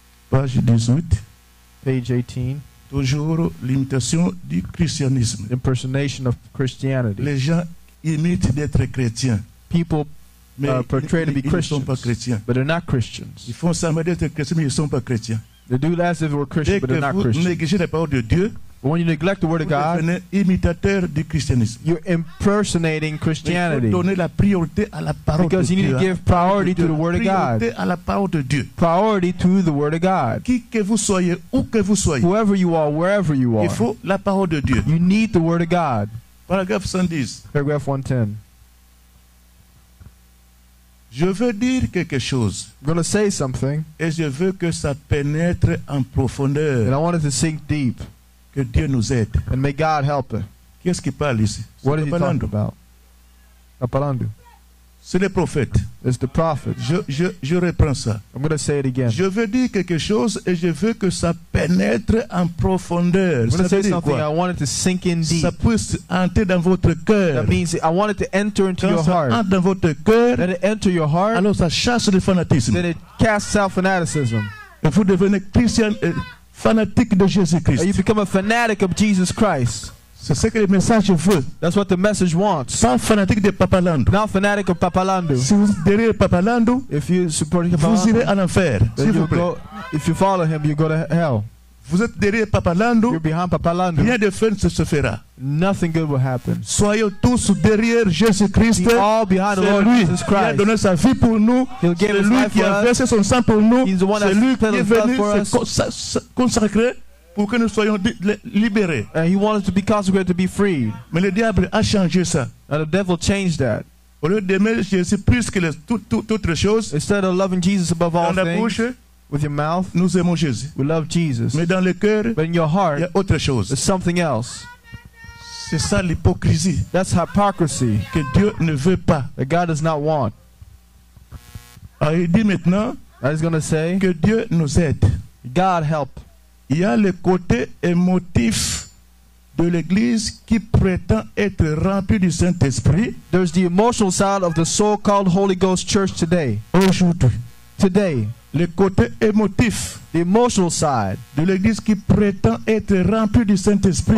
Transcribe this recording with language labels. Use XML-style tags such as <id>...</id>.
<fr>Page 18.</fr> <en>Page 18.</en> <fr>Toujours l'imitation du christianisme.</fr> <en>Impersonation of Christianity.</en> <fr>Les gens imitent d'être chrétiens.</fr> <en>People portray to be Christians.</en> <fr>Ils sont pas chrétiens.</fr> <en>But they're not Christians.</en> <fr>Ils font semblant d'être chrétiens, mais ils sont pas chrétiens.</fr> <en>They do as if they were Christian, but they're not Christian.</en> <fr>Négligez la parole de Dieu,</fr> <en>but when you neglect the word of God,</en> <fr>vous devenez imitateur du christianisme.</fr> <en>You're impersonating Christianity.</en> <fr>Mais donner la priorité à la parole</fr> <en>because</en> <fr>de</fr> <en>you need</en> <fr>Dieu,</fr> <en>to give priority to the word of God.</en> <fr>À la parole de Dieu.</fr> <en>Priority to the word of God.</en> <fr>Qui que vous soyez, où que vous soyez.</fr> <en>Whoever you are, wherever you are.</en> <fr>Il faut la parole de Dieu.</fr> <en>You need the word of God. Paragraph 110. Paragraph 110.</en> <fr>Je veux dire quelque chose.</fr> <en>I'm going to say something.</en> <fr>Et je veux que ça pénètre en profondeur.</fr> <en>And I want it to sink deep.</en> <fr>Que Dieu nous aide.</fr> <en>And may God help us.</en> <fr>Qu'est-ce qu'il parle ici?</fr> <en>What is he talking about? Nlandu.</en> <fr>C'est le prophète.</fr> <en>It's the prophet.</en> <fr>Je reprends ça.</fr> <en>I'm going to say it again.</en> <fr>Je veux dire quelque chose et je veux que ça pénètre en profondeur.</fr> <en>I'm going to say something.</en> <fr>Quoi?</fr> <en>I want it to sink in deep.</en> <fr>Ça puisse entrer dans votre cœur.</fr> <en>That means I want it to enter into</en> <fr>quand</fr> <en>your heart.</en> <fr>Quand ça entre dans votre cœur,</fr> <en>let it enter your heart.</en> <fr>Alors ça chasse le fanatisme.</fr> <en>Then it casts out fanaticism.</en> <fr>Et vous devenez chrétien fanatique de Jésus Christ.</fr> <en>And you become a fanatic of Jesus Christ.</en> <fr>C'est ce que le message veut.</fr> <en>That's what the message wants.</en> <fr>Pas fanatique de Papalandu.</fr> <en>Not fanatic of Papalandu.</en> <fr>Si vous derrière Papalandu,</fr> <en>if you support him,</en> <fr>vous irez en enfer. S'il vous plaît.</fr> <en>Go, if you follow him, you go to hell.</en> <fr>Vous êtes derrière Papalandu.</fr> <en>You're behind Papalandu.</en> <fr>Rien de fin ne se fera.</fr> <en>Nothing good will happen.</en> <fr>Soyez tous derrière Jésus Christ.</fr> <en>Be all behind the Lord Jesus Christ.</en> <fr>Il a donné sa vie pour nous.</fr> <en>He'll give</en> <fr>c'est lui</fr> <en>his life</en> <fr>qui</fr> <en>for</en> <fr>a</fr> <en>us.</en> <fr>Versé son sang pour nous.</fr> <en>He's the one</en> <fr>c'est lui</fr> <en>that's</en> <fr>qui est venu se consacrer. Pour que nous soyons libérés.</fr> <en>And he wanted to be consecrated to be free.</en> <fr>Mais le diable a changé ça.</fr> <en>And the devil changed that.</en> <fr>Au lieu d'aimer Jésus plus que les toutes choses.</fr> <en>Instead of loving Jesus above all things.</en> <fr>Dans la bouche.</fr> <en>With your mouth.</en> <fr>Nous aimons Jésus.</fr> <en>We love Jesus.</en> <fr>Mais dans le cœur.</fr> <en>But in your heart.</en> <fr>Il y a autre chose.</fr> <en>There's something else.</en> <fr>C'est ça l'hypocrisie.</fr> <en>That's hypocrisy.</en> <fr>Que Dieu ne veut pas.</fr> <en>That God does not want.</en> <fr>Ah, il dit maintenant.</fr> <en>I was going to say.</en> <fr>Que Dieu nous aide.</fr> <en>God help.</en> <fr>Il y a le côté émotif de l'Église qui prétend être remplie du Saint-Esprit.</fr> <en>There's the emotional side of the so-called Holy Ghost Church today.</en> <fr>Aujourd'hui.</fr> <en>Today.</en> <fr>Le côté émotif.</fr> <en>The emotional side.</en> <fr>De l'Église qui prétend être remplie du Saint-Esprit.</fr>